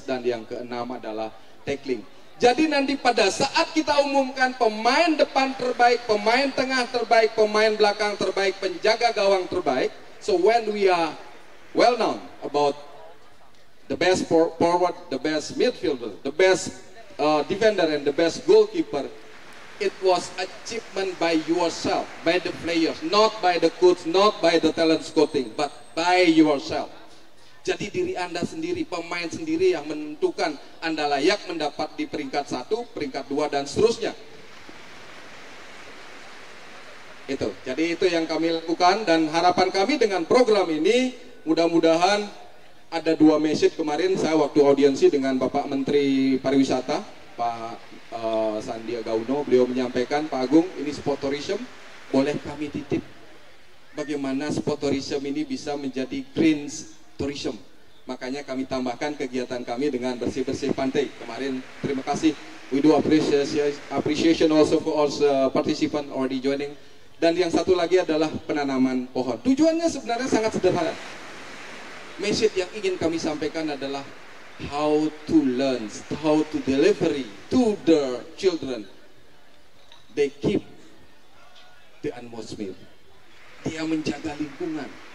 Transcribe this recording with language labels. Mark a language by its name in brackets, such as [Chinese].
[Indonesian] Dan yang keenam adalah tackling. Jadi nanti pada saat kita umumkan pemain depan terbaik, pemain tengah terbaik, pemain belakang terbaik, penjaga gawang terbaik, [English] so when we are well known about the best forward, the best midfielder, the best defender and the best goalkeeper, it was achievement by yourself, by the players, not by the coach, not by the talent scouting, but by yourself. [Indonesian] Jadi diri Anda sendiri, pemain sendiri yang menentukan Anda layak mendapat di peringkat 1, peringkat 2, dan seterusnya. Itu. Jadi itu yang kami lakukan, dan harapan kami dengan program ini, mudah-mudahan ada dua message kemarin saya waktu audiensi dengan Bapak Menteri Pariwisata, Pak Sandiaga Uno, beliau menyampaikan, Pak Agung, ini spot tourism, boleh kami titip bagaimana spot tourism ini bisa menjadi green tourism. Makanya kami tambahkan kegiatan kami dengan bersih-bersih pantai. Kemarin, terima kasih. [English] We do appreciation also for all the participants already joining. [Indonesian] Dan yang satu lagi adalah penanaman pohon. Tujuannya sebenarnya sangat sederhana. Message yang ingin kami sampaikan adalah [English] how to learn, how to delivery to the children. They keep the atmosphere. [Indonesian] Dia menjaga lingkungan.